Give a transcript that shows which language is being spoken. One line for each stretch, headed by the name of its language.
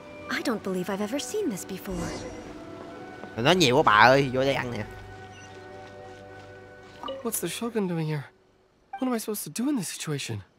English: I don't believe I've ever seen this before.
Vietnamese: Nó nhiều quá bà ơi, vô đây ăn nè.
English: What's the Shogun doing here? What am I supposed to do in this situation?